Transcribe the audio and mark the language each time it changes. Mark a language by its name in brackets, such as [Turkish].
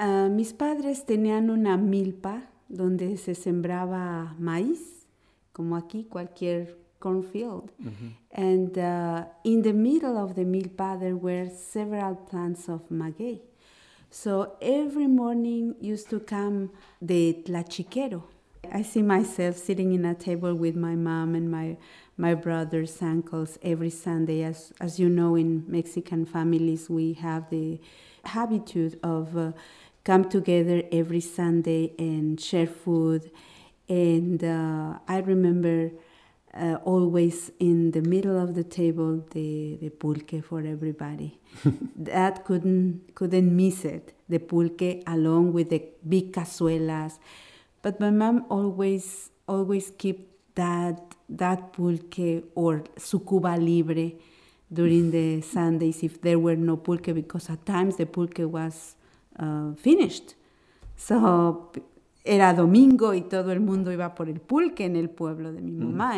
[Spanish] Mis padres tenían una milpa donde se sembraba maíz, como aquí cualquier cornfield. Mm-hmm. [English] And in the middle of the milpa, there were several plants of maguey. So every morning used to come the tlachiquero. I see myself sitting in a table with my mom and my brothers, uncles, every Sunday. As you know, in Mexican families, we have the habit of come together every Sunday and share food. And I remember always in the middle of the table, the pulque for everybody. That couldn't miss it, the pulque along with the big cazuelas. But my mom always keep that pulque or su cuba libre during the Sundays if there were no pulque, because at times the pulque was finished. [Spanish] So era domingo y todo el mundo iba por el pulque en el pueblo de mi mamá.